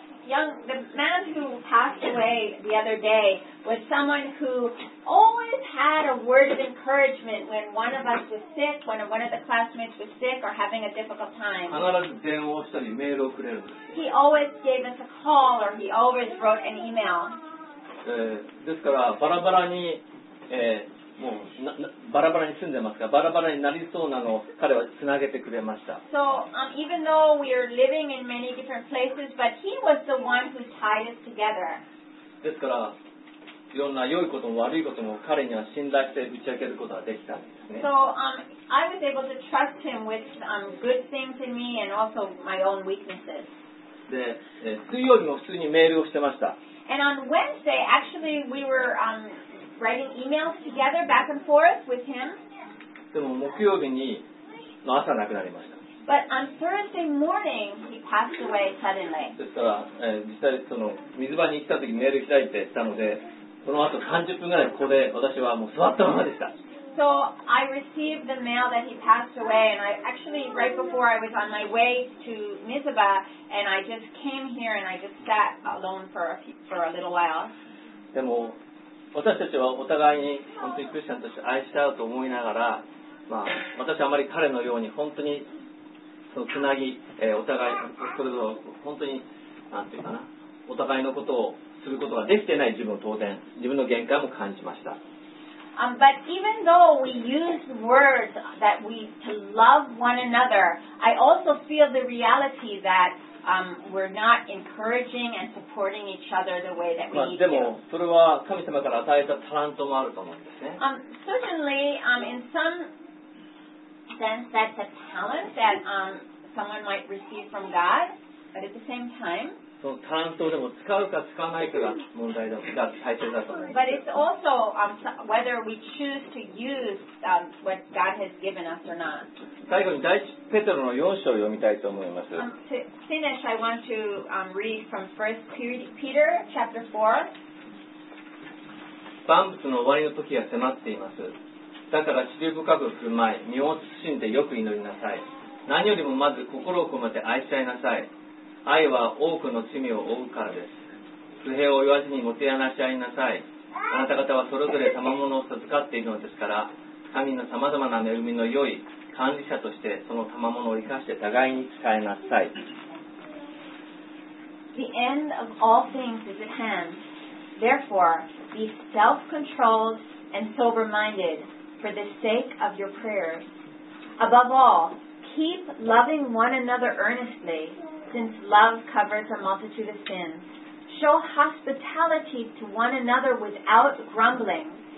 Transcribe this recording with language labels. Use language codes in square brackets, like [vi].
[en] The man who passed away the other day was someone who always had a word of encouragement when one of us was sick, when one of the classmates was sick or having a difficult time. [ja] 必ず電話をしたりメールをくれる。 [en] He always gave us a call or he always wrote an email. [ja] ですからバラバラに、もうバラバラに住んでますから、バラバラになりそうなのを彼はつなげてくれました。 [en] So, even though we are living in many different places, but he was the one who tied us together. [ja] ですから、いろんな良いことも悪いことも彼には信頼して打ち明けることができたんですね。 [en] So, I was able to trust him with good things in me and also my own weaknesses. [ja] で、水曜日も普通にメールをしてました。 [en] And on Wednesday, actually, we were, writing emails together back and forth with him. [ja] でも木曜日にの朝亡くなりました。 [en] But on Thursday morning he passed away suddenly. [ja] ですから、実際その水場に行った時メール開いてしたので、その後30分ぐらいここで私はもう座ったままでした。 [en] So I received the mail that he passed away, and I actually right before I was on my way to Mizuba, and I just came here and I just sat alone for a little while. [ja] でも私たちはお互いに本当にクリスチャンとして愛し合うと思いながら、まあ、私はあまり彼のように本当にそのつなぎ、お互いそれぞれ本当になんていうかな、お互いのことをすることができていない自分の当然、自分の限界も感じました。 [en] But even though we use words that we to love one another, I also feel the reality that we're not encouraging and supporting each other the way that we need to. [ja] それは神様から与えたタラントもあると思うんですね。 [en] Certainly, in some sense, that's a talent that someone might receive from God, but at the same time, [ja] そのタラントでも使うか使わないかが問題だと、大切だと思います。 [en] But it's also whether we choose to use what God has given us or not. [ja] 最後に第一ペテロの4章を読みたいと思います。 [en] To finish, I want to read from 1 Peter chapter 4. [ja] 万物の終わりの時が迫っています。だから知り深く振る舞い、身を慎んでよく祈りなさい。何よりもまず心を込めて愛し合いなさい。愛は多くの罪を負うからです。不平を言わずにもてあなし合いなさい。あなた方はそれぞれ賜物を授かっているのですから、神のさまざまな恵みの良い管理者としてその賜物を生かして互いに使いなさい。 [en] The end of all things is at hand. Therefore, be self-controlled and sober-minded for the sake of your prayers. Above all, keep loving one another earnestly. Since love covers a multitude of sins, show hospitality to one another without grumbling.